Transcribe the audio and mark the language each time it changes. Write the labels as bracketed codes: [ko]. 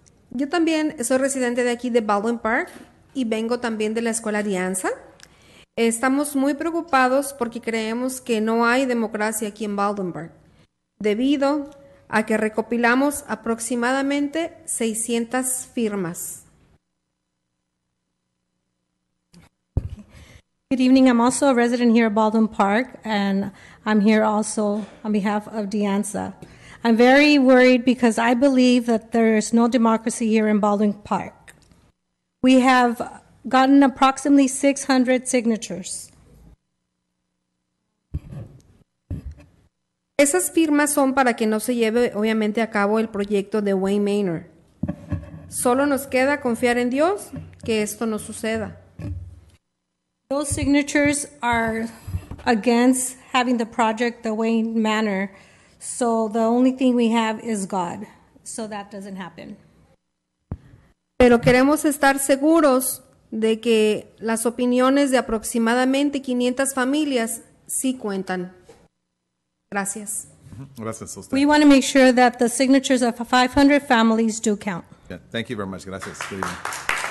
[es] Yo también soy residente de aquí de Baldwin Park y vengo también de la Escuela Alianza. Estamos muy preocupados porque creemos que no hay democracia aquí en Baldwin Park debido a que recopilamos aproximadamente 600 firmas. [en] Good evening. I'm also a resident here at Baldwin Park, and I'm here also on behalf of DEANSA. I'm very worried because I believe that there is no democracy here in Baldwin Park. We have gotten approximately 600 signatures. [es] Esas firmas son para que no se lleve, obviamente, a cabo el proyecto de Wayne Manor. Solo nos queda confiar en Dios que esto no suceda. [en] Those signatures are against having the project the Wayne Manor. So the only thing we have is God. So that doesn't happen. [es] Pero queremos estar seguros de que las opiniones de aproximadamente 500 familias sí cuentan. Gracias. Gracias, usted. [en] We want to make sure that the signatures of 500 families do count. Yeah, thank you very much. Gracias. Good evening.